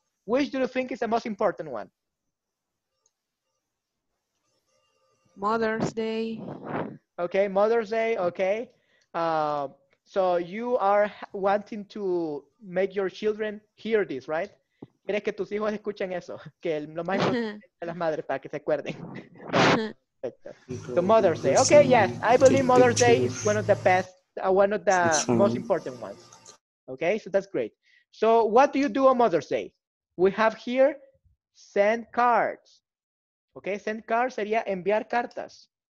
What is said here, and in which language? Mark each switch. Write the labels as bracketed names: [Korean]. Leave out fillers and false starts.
[English] Which do you think is the most important one? Mother's Day. Okay, Mother's Day, okay. So you are wanting to make your children hear this, right? [Spanish] ¿Quieres que tus hijos escuchen eso? Que lo más importante es las madres para que se acuerden. [English] So Mother's Day. Okay, yes. I believe Mother's Day is one of the best, one of the most important ones. Okay, so that's great. So what do you do on Mother's Day? We have here send cards. Okay, send cards [Spanish] sería enviar cartas.